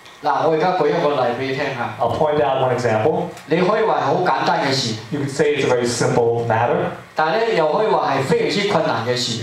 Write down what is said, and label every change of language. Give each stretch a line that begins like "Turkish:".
Cantonese: 嗱，我而家舉一個例俾你聽嚇。
English: I'll point out one example.
Cantonese: 你可以話係好簡單嘅事。
English: You can say it's a very simple matter.
Cantonese: 但咧，又可以話係非常之困難嘅事。